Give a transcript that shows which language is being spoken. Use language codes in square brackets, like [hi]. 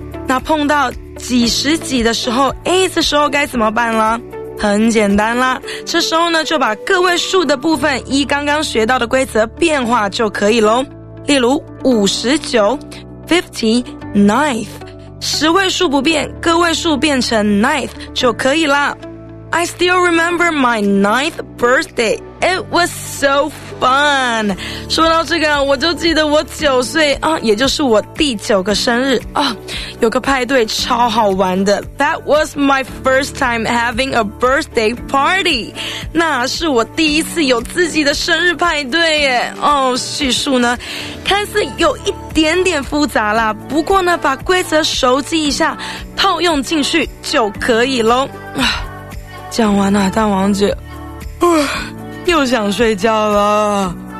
[zh] 那碰到几十几的时候 ，eighth 时候该怎么办啦？很简单啦，这时候呢，就把个位数的部分依刚刚学到的规则变化就可以喽。例如五十九 ，fifty-ninth， 十位数不变，个位数变成 ninth 就可以啦。 [en] I still remember my ninth birthday. It was so fun. [zh] 说到这个，我就记得我九岁啊，也就是我第九个生日啊，有个派对超好玩的。 [en] That was my first time having a birthday party. [zh] 那是我第一次有自己的生日派对耶。哦，叙述呢，看似有一点点复杂啦，不过呢，把规则熟记一下，套用进去就可以咯。啊，讲完了，大王姐，又想睡觉了。